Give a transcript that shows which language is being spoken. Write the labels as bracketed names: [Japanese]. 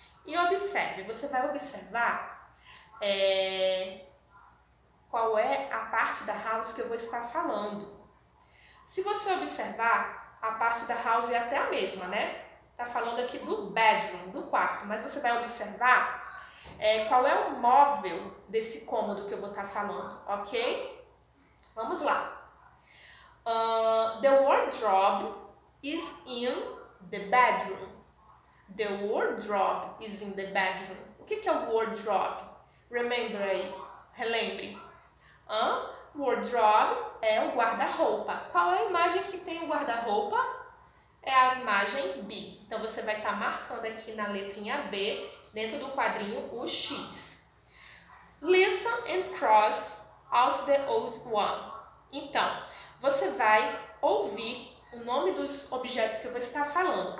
[Portuguese] E observe, você vai observar qual é a parte da house que eu vou estar falando. Se você observar, a parte da house é até a mesma, né? Tá falando aqui do bedroom, do quarto, mas você vai observar qual é o móvel desse cômodo que eu vou estar falando, ok? Vamos lá. [English] The wardrobe is in the bedroom. The wardrobe is in the bedroom. [Portuguese] O que é o wardrobe? Remember aí. Relembre. Wardrobe é o guarda-roupa. Qual é a imagem que tem o guarda-roupa? É a imagem B. Então, você vai estar marcando aqui na letrinha B, dentro do quadrinho, o X. [English] Listen and cross out the old one. [Portuguese] Então, você vai ouvir o nome dos objetos que eu vou estar falando.